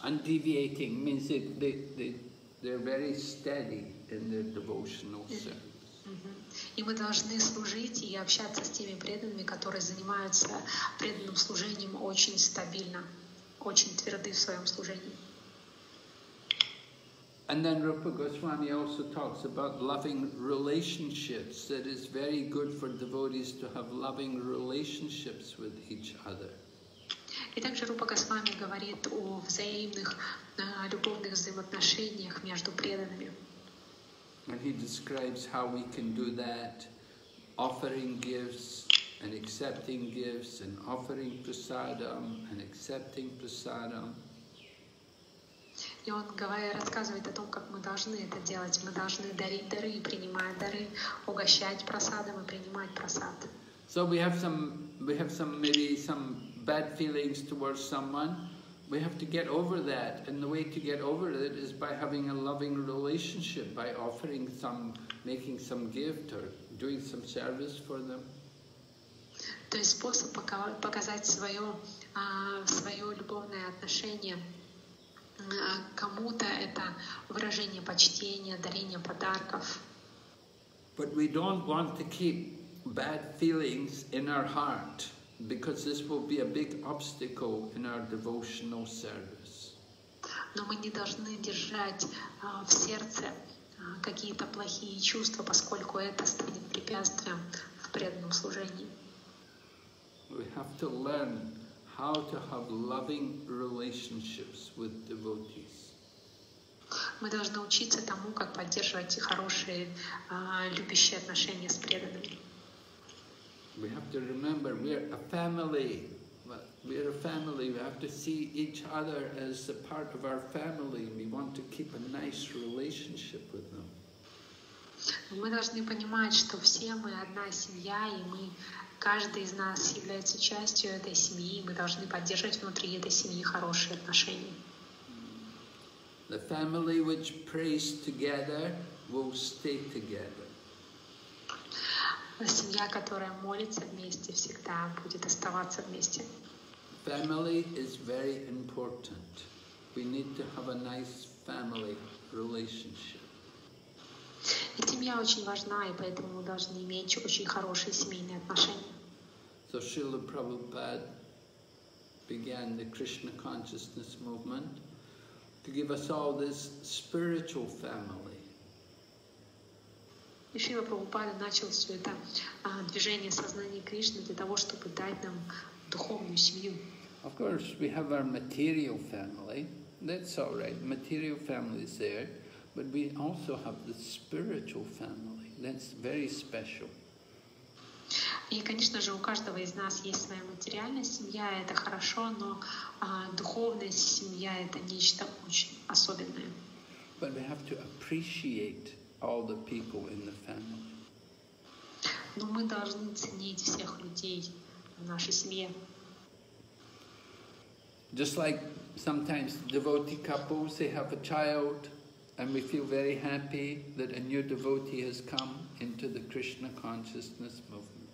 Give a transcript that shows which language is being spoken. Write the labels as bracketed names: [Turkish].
[English] Undeviating means that they're very steady in their devotional service. [Russian] И мы должны служить и общаться с теми преданными, которые занимаются преданным служением очень стабильно, очень тверды в своем служении. [English] And then Rupa Goswami also talks about loving relationships, that is very good for devotees to have loving relationships with each other. [Russian] И также Рупа Госвами говорит о взаимных любовных взаимоотношениях между преданными. [English] And he describes how we can do that, offering gifts and accepting gifts and offering prasadam and accepting prasadam. [Russian] И он говорит, рассказывает о том, как мы должны это делать. Мы должны дарить дары, принимать дары, угощать прасадом и принимать прасад. [English] So we have some bad feelings towards someone. We have to get over that, and the way to get over it is by having a loving relationship, by offering some, making some gift or doing some service for them. [Russian] То есть способ показать свое любовное отношение кому-то – это выражение почтения, дарение подарков. [English] But we don't want to keep bad feelings in our heart. Because this will be a big obstacle in our devotional service. [Russian] Но мы не должны держать в сердце какие-то плохие чувства, поскольку это станет препятствием в преданном служении. [English] We have to learn how to have loving relationships with devotees. [Russian] Мы должны учиться тому, как поддерживать хорошие любящие отношения с преданными. [English] We have to remember we're a family. We're a family. We have to see each other as a part of our family. We want to keep a nice relationship with them. [Russian] Мы должны понимать, что все мы одна семья, и мы каждый из нас является частью этой семьи. Мы должны поддерживать внутри этой семьи хорошие отношения. [English] The family which prays together will stay together. [Russian] Семья, которая молится вместе, всегда будет оставаться вместе. [English] Family is very important. We need to have a nice family relationship. [Russian] И семья очень важна, и поэтому мы должны иметь очень хорошие семейные отношения. [English] So Srila Prabhupada began the Krishna consciousness movement to give us all this spiritual family. [Russian] И Шрила Прабхупада начал все это движение сознания Кришны для того, чтобы дать нам духовную семью. [English] Of course, we have our material family. That's all right. Material family is there, but we also have the spiritual family. That's very special. [Russian] И, конечно же, у каждого из нас есть своя материальная семья. Это хорошо, но духовная семья — это нечто очень особенное. [English] But we have to appreciate all the people in the family. [Russian] Но мы должны ценить всех людей в нашей семье. [English] Just like sometimes devotee couples, they have a child, and we feel very happy that a new devotee has come into the Krishna consciousness movement.